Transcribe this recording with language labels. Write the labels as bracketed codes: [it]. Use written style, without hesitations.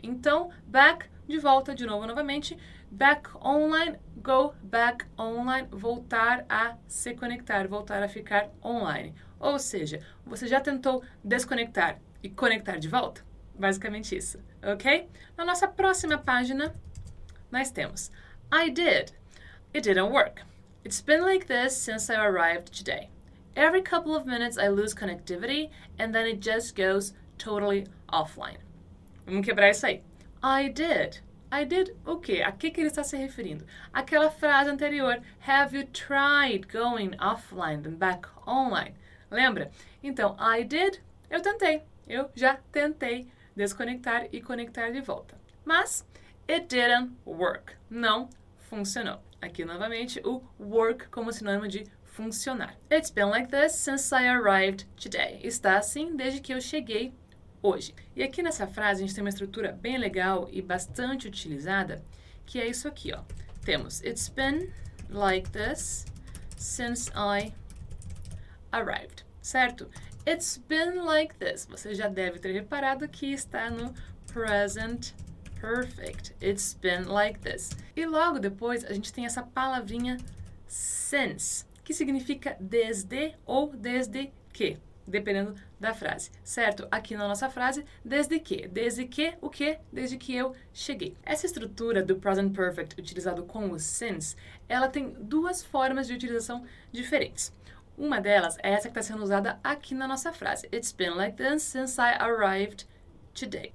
[pt] Então, back, de volta, de novo, novamente, back online, go back online, voltar a se conectar, voltar a ficar online. Ou seja, você já tentou desconectar e conectar de volta? Basicamente isso, ok? Na nossa próxima página, nós temos, [en] I did, it didn't work. It's been like this since I arrived today. Every couple of minutes I lose connectivity and then it just goes totally offline. [pt] Vamos quebrar isso aí. I did. I did o quê? A que ele está se referindo? Aquela frase anterior, [en] have you tried going offline and back online? [pt] Lembra? Então, I did, eu tentei. Eu já tentei desconectar e conectar de volta. Mas, [en] it didn't work. [pt] Não funcionou. Aqui, novamente, o work como sinônimo de funcionar. [en] It's been like this since I arrived today. [pt] Está assim desde que eu cheguei hoje. E aqui nessa frase, a gente tem uma estrutura bem legal e bastante utilizada, que é isso aqui, ó. Temos, [en] it's been like this since I arrived, [pt] certo? [en] It's been like this. [pt] Você já deve ter reparado que está no present perfect. [en] It's been like this. [pt] E logo depois, a gente tem essa palavrinha since, que significa desde ou desde que, dependendo da frase, certo? Aqui na nossa frase, desde que. Desde que, o que? Desde que eu cheguei. Essa estrutura do present perfect utilizado com o since, ela tem duas formas de utilização diferentes. Uma delas é essa que está sendo usada aqui na nossa frase. [en] It's been like this since I arrived today.